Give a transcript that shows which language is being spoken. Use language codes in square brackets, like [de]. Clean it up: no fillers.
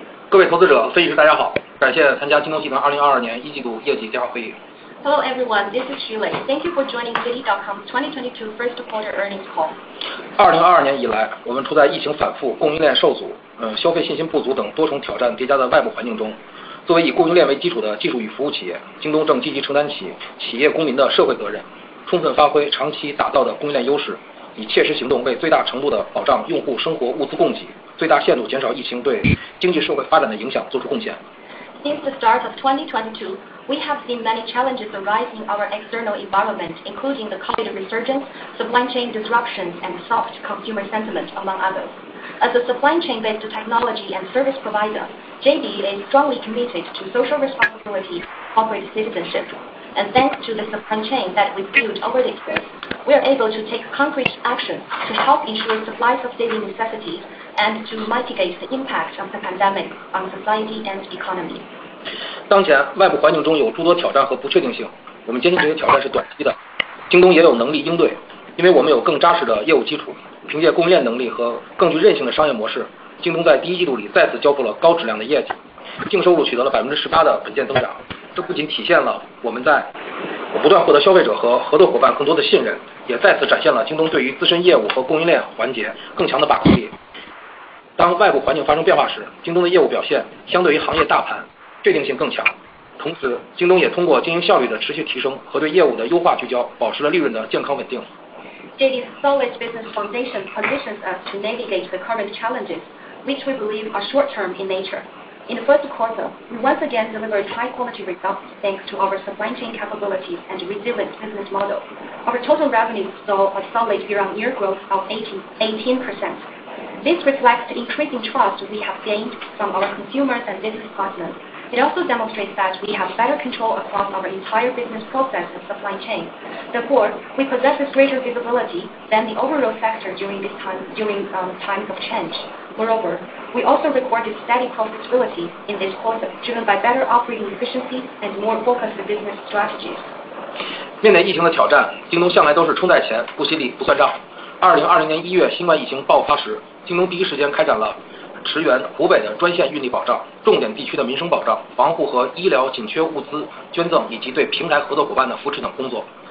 [zh] 各位投资者、分析师，大家好，感谢参加京东集团2022年一季度业绩电话会议。 [en] Hello everyone, this is Xu Lei. Thank you for joining JD.com's 2022 first quarter earnings call. [zh] 2022年以来，我们处在疫情反复、供应链受阻、消费信心不足等多重挑战叠加的外部环境中。作为以供应链为基础的技术与服务企业，京东正积极承担起企业公民的社会责任，充分发挥长期打造的供应链优势，以切实行动为最大程度地保障用户生活物资供给，最大限度减少疫情对经济社会发展的影响做出贡献。 [en] Since the start of 2022, we have seen many challenges arise in our external environment, including the COVID resurgence, supply chain disruptions, and soft consumer sentiment, among others. As a supply chain-based technology and service provider, JD is strongly committed to social responsibility, corporate citizenship, and thanks to the supply chain that we've built over the years, we are able to take concrete action to help ensure supply of daily necessities and to mitigate the impact of the pandemic on society and economy. [zh] 当前外部环境中有诸多挑战和不确定性，我们坚信这些挑战是短期的，京东也有能力应对，因为我们有更扎实的业务基础，凭借供应链能力和更具韧性的商业模式，京东在第一季度里再次交付了高质量的业绩，净收入取得了18%的稳健增长。这不仅体现了我们在不断获得消费者和合作伙伴更多的信任，也再次展现了京东对于自身业务和供应链环节更强的把控力。当外部环境发生变化时，京东的业务表现相对于行业大盘确定性更强，同时京东也通过经营效率的持续提升和对业务的优化聚焦，保持了利润的健康稳定。 [en] JD's solid business foundation positions us to navigate the current challenges, which we believe are short-term in nature. In the first quarter, we once again delivered high-quality results thanks to our supply chain capabilities and resilient business model. Our total revenue saw a solid year-on-year growth of 18%. This reflects the increasing trust we have gained from our consumers and business partners. It also demonstrates that we have better control across our entire business process and supply chain. Therefore, we possess greater visibility than the overall sector during this time, times of change. Moreover, we also recorded steady profitability in this quarter, driven by better operating efficiency and more focused business strategies. [zh] 面对疫情的挑战，京东向来都是冲在前，不惜力，不算账。 2020年1月新冠疫情爆发时，京东第一时间开展了驰援湖北的专线运力保障、重点地区的民生保障、防护和医疗紧缺物资捐赠以及对平台合作伙伴的扶持等工作。